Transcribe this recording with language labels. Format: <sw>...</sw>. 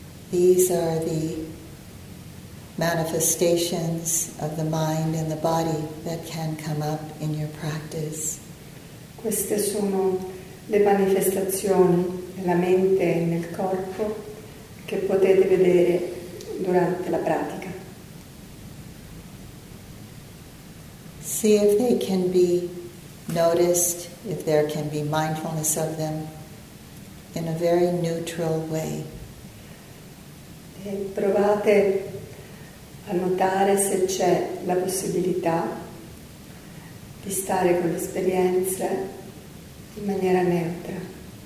<en>These are the manifestations of the mind and the body that can come up in your practice.</en> <it>Queste sono le manifestazioni nella mente e nel corpo che potete vedere durante la pratica.</it> <en>See if they can be noticed, if there can be mindfulness of them in a very neutral way.</en> <it>E provate a notare se c'è la possibilità di stare con l'esperienza in maniera neutra.</it>